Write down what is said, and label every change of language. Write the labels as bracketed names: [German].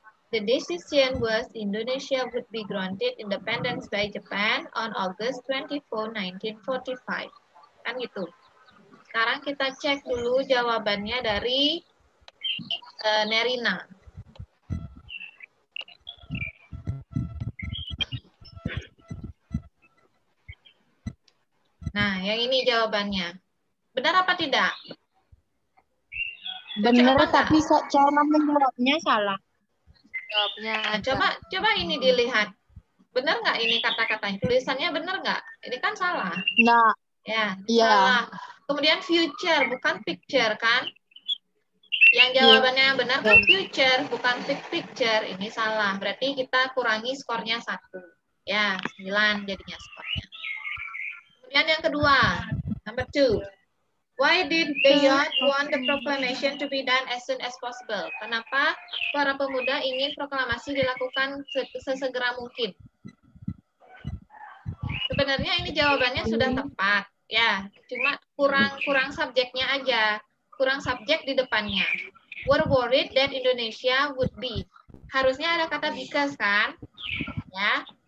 [English] The decision was Indonesia would be granted independence by Japan on August 24, 1945. [Indonesian] Kan gitu. Sekarang kita cek dulu jawabannya dari Nerina. Nah, yang ini jawabannya. Benar apa tidak? Benar, tapi cara menjawabnya salah. Jawabnya. Coba ini dilihat. Benar nggak ini kata-katanya? Tulisannya benar nggak? Ini kan salah. Nah. Ya, ya. Salah. Kemudian future, bukan picture, kan? Yang jawabannya yang benar kan future, bukan picture. Ini salah. Berarti kita kurangi skornya 1. Ya, 9 jadinya skornya. Kemudian yang kedua, number 2. [English] Why did the youth want the proclamation to be done as soon as possible? [Indonesian] Kenapa para pemuda ingin proklamasi dilakukan sesegera mungkin? Sebenarnya ini jawabannya sudah tepat, ya. Cuma kurang subjeknya aja, kurang subjek di depannya. [English] Were worried that Indonesia would be. [Indonesian] Harusnya ada kata because, kan? Ya.